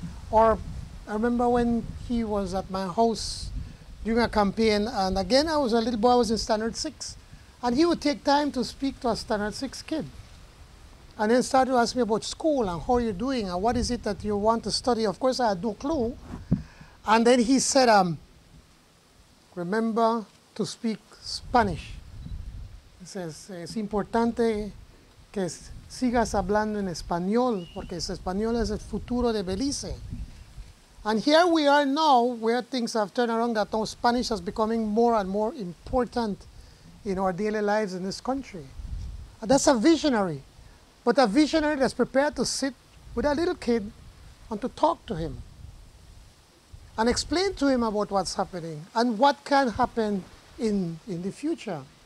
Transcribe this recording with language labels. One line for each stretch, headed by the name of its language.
English: Or I remember when he was at my house during a campaign, and again, I was a little boy, I was in Standard 6, and he would take time to speak to a Standard 6 kid. And then started to ask me about school and how you're doing and what is it that you want to study. Of course, I had no clue. And then he said, remember to speak Spanish. He says,
Spanish: es importante que sigas hablando en español, porque español es el futuro de Belice.
English: And here we are now, where things have turned around, that now Spanish is becoming more and more important in our daily lives in this country. And that's a visionary. But a visionary that's prepared to sit with a little kid and to talk to him and explain to him about what's happening and what can happen in the future.